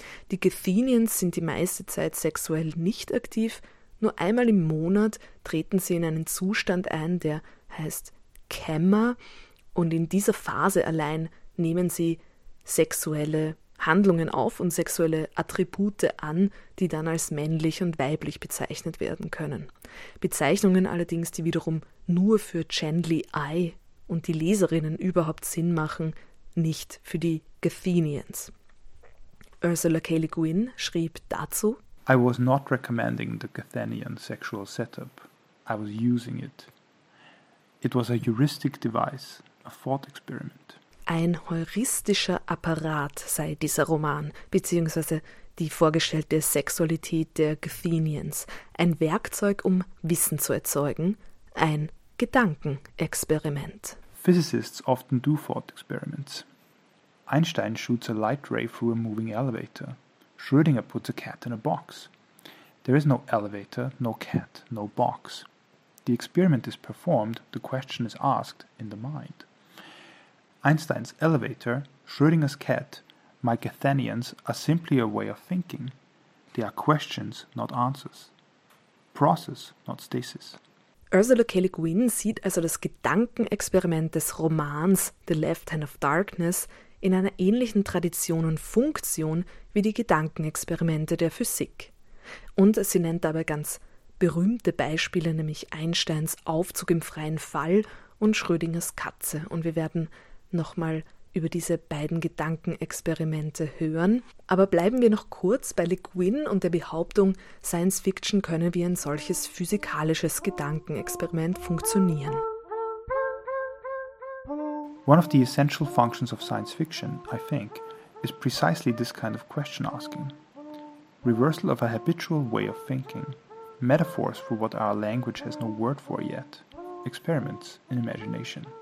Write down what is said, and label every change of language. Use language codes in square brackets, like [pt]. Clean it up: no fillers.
[de] Die Gethinians sind die meiste Zeit sexuell nicht aktiv, nur einmal im Monat treten sie in einen Zustand ein, der heißt Chema, und in dieser Phase allein nehmen sie sexuelle Handlungen auf und sexuelle Attribute an, die dann als männlich und weiblich bezeichnet werden können. Bezeichnungen allerdings, die wiederum nur für Chandli Ai und die Leserinnen überhaupt Sinn machen, nicht für die Gethinians. Ursula K. Le Guin schrieb dazu: [en] I was not recommending the Gethinian sexual setup. I was using it. It was a heuristic device, a thought experiment. [de] Ein heuristischer Apparat sei dieser Roman, beziehungsweise die vorgestellte Sexualität der Gethinians. Ein Werkzeug, um Wissen zu erzeugen. Ein Gedankenexperiment. [en] Physicists often do thought experiments. Einstein shoots a light ray through a moving elevator. Schrödinger puts a cat in a box. There is no elevator, no cat, no box. The experiment is performed, the question is asked in the mind. Einstein's elevator, Schrödinger's cat, my Gethinians are simply a way of thinking. They are questions, not answers. Process, not stasis. [de] Ursula K. Le Guin sieht also das Gedankenexperiment des Romans The Left Hand of Darkness in einer ähnlichen Tradition und Funktion wie die Gedankenexperimente der Physik. Und sie nennt dabei ganz berühmte Beispiele, nämlich Einsteins Aufzug im freien Fall und Schrödingers Katze. Und wir werden nochmal über diese beiden Gedankenexperimente hören. Aber bleiben wir noch kurz bei Le Guin und der Behauptung, Science Fiction könne wie ein solches physikalisches Gedankenexperiment funktionieren. [en] One of the essential functions of science fiction, I think, is precisely this kind of question asking. Reversal of a habitual way of thinking. Metaphors for what our language has no word for yet. Experiments in imagination.